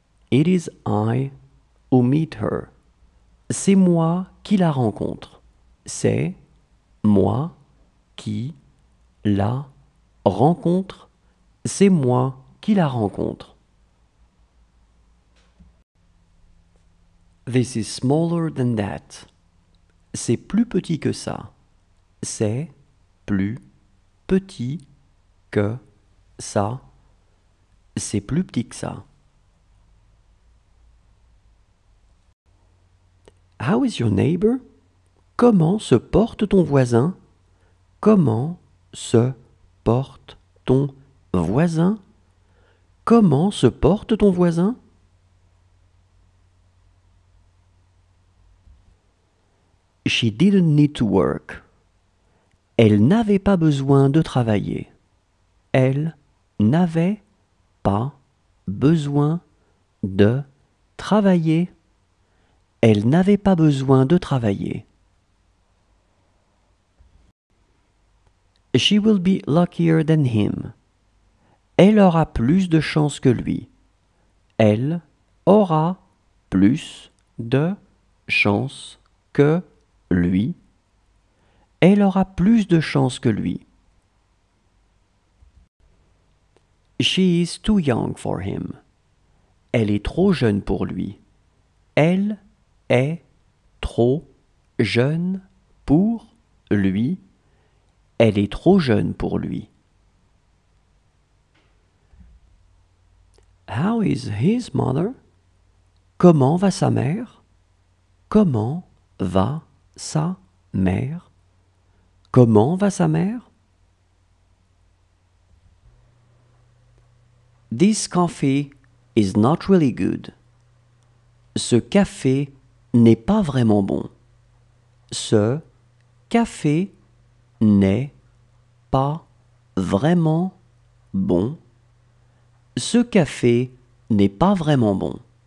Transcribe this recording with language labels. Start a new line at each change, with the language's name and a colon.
English: It is I who meet her.
French: C'est moi qui la rencontre. C'est moi qui la rencontre. C'est moi qui la rencontre.
English: This is smaller than that.
French: C'est plus petit que ça. C'est plus petit que ça. C'est plus petit que ça.
English: How is your neighbor?
French: Comment se porte ton voisin? Comment se porte ton voisin? Comment se porte ton voisin?
English: She didn't need to work.
French: Elle n'avait pas besoin de travailler. Elle n'avait pas besoin de travailler. Elle n'avait pas besoin de travailler.
English: She will be luckier than him.
French: Elle aura plus de chance que lui. Elle aura plus de chance que lui. Elle aura plus de chance que lui.
English: She is too young for him.
French: Elle est trop jeune pour lui. Elle est trop jeune pour lui. Elle est trop jeune pour lui.
English: How is his mother?
French: Comment va sa mère? Comment va sa mère? Comment va sa mère?
English: This coffee is not really good.
French: Ce café n'est pas vraiment bon. Ce café n'est pas vraiment bon. Ce café n'est pas vraiment bon.